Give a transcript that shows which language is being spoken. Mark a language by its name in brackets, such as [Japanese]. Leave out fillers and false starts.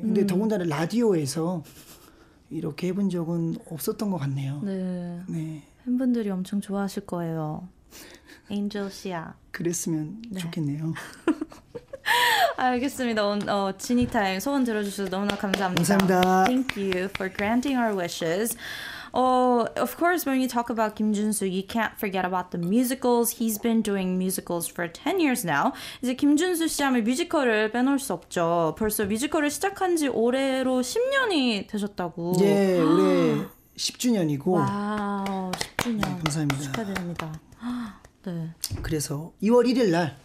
[Korean] 근데 더군다나 라디오에서 이렇게 해본 적은 없었던 것 같네요. 네. 네. 팬분들이 엄청 좋아하실 거예요. 엔젤 씨야. 그랬으면 네. 좋겠네요. 알겠습니다. 지니 타임 소원 들어주셔서 너무나 감사합니다. 감사합니다. [English] Thank you for granting our wishes. Of course, when you talk about Kim Jun-soo, you can't forget about the musicals. He's been doing musicals for 10 years now. [Korean] 이제 김준수 씨 하면 뮤지컬을 빼놓을 수 없죠. 벌써 뮤지컬을 시작한 지 올해로 10년이 되셨다고. 예, 올해 10주년이고, 와우, 네, 10주년 감사합니다. 축하드립니다. 네. 그래서 2월 1일 날,